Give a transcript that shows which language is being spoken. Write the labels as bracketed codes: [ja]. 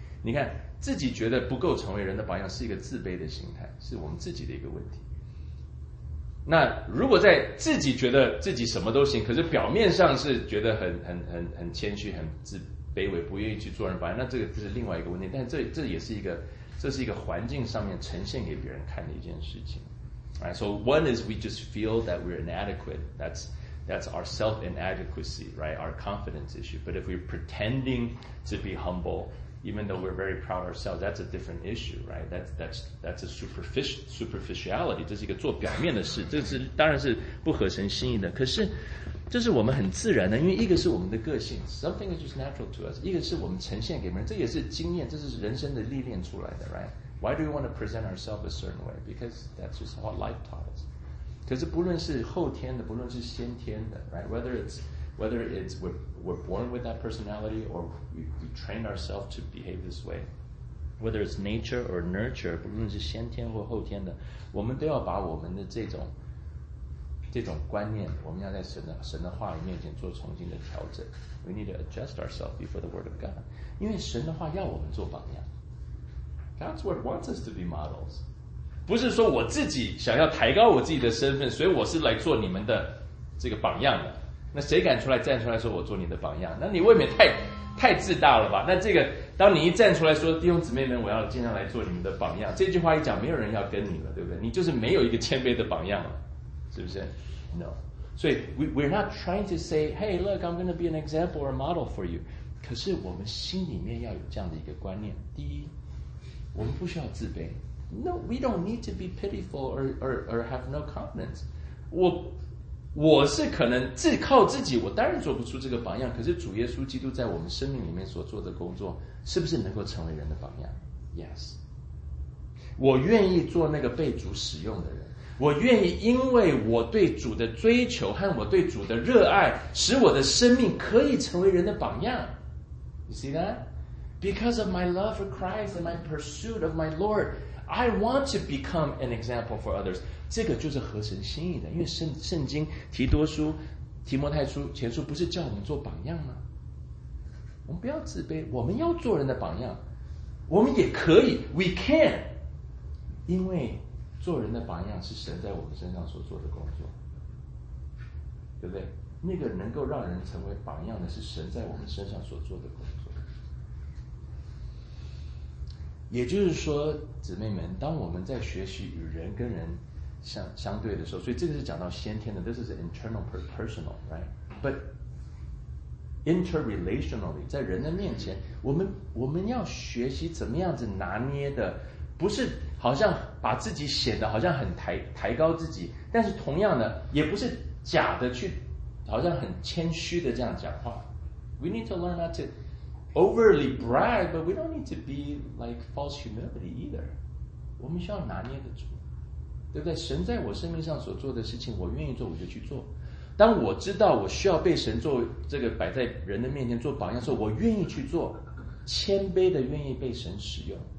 [zh] 你看自己觉得不够成为人的榜样，是一个自卑的心态，是我们自己的一个问题。那如果在自己觉得自己什么都行，可是表面上是觉得很谦虚很自卑微，不愿意去做人榜样，那这个是另外一个问题。但 这也是一个这是一个环境上面呈现给别人看的一件事情。 [en] Right, so one is we just feel that we're inadequate. That's our self-inadequacy, right? Our confidence issue. But if we're pretending to be humble, even though we're very proud of ourselves, that's a different issue, right? That's a superficiality. [zh] 这是一个做表面的事，这是当然是不合神心意的。可是这是我们很自然的，因为一个是我们的个性 ， [en] something is just natural to us. [zh] 一个是我们呈现给别人，这也是经验，这是人生的历练出来的 ，right? [en] Why do we want to present ourselves a certain way? Because that's just what life taught us. [zh] 可是不论是后天的，不论是先天的 ，right? [en] Whether it's we're born with that personality or we train ourselves to behave this way, whether it's nature or nurture, [zh] 不论是先天或后天的，我们都要把我们的这种观念，我们要在神的话语面前做重新的调整。 [en] We need to adjust ourselves before the Word of God. [zh] 因为神的话要我们做榜样。 [en] God's Word wants us to be models. [zh] 不是说我自己想要抬高我自己的身份，所以我是来做你们的这个榜样的。那谁敢出来站出来说我做你的榜样？那你未免太自大了吧？那这个，当你一站出来说弟兄姊妹们，我要尽量来做你们的榜样，这句话一讲，没有人要跟你了，对不对？你就是没有一个谦卑的榜样了。是不是 ？ [en] No， [zh] 所以 [en] we're not trying to say, hey, look, I'm going to be an example or a model for you. [zh] 可是我们心里面要有这样的一个观念：第一，我们不需要自卑。 [en] No, we don't need to be pitiful or have no confidence. [zh] 我是可能自靠自己，我当然做不出这个榜样。可是主耶稣基督在我们生命里面所做的工作，是不是能够成为人的榜样 ？Yes， 我愿意做那个被主使用的人。我愿意因为我对主的追求和我对主的热爱使我的生命可以成为人的榜样。 [en] You see that? Because of my love for Christ and my pursuit of my Lord, I want to become an example for others. [zh] 这个就是合神心意的，因为 圣经提多书、提摩太书、前书不是叫我们做榜样吗？我们不要自卑，我们要做人的榜样。我们也可以 , [en] we can, [zh] 因为做人的榜样是神在我们身上所做的工作，对不对？那个能够让人成为榜样的是神在我们身上所做的工作。也就是说，姊妹们，当我们在学习与人跟人 相对的时候，所以这个是讲到先天的 ， [en] this is internal personal, [zh] right? [en] But interrelationally, [zh] 在人的面前，我们要学习怎么样子拿捏的。不是好像把自己显得好像很抬高自己，但是同样的也不是假的去好像很谦虚的这样讲话。 [en] We need to learn not to overly brag, but we don't need to be like false humility either. [zh] 我们需要拿捏得住，对不对？神在我生命上所做的事情，我愿意做我就去做。当我知道我需要被神做这个摆在人的面前做榜样的时候，我愿意去做，谦卑的愿意被神使用。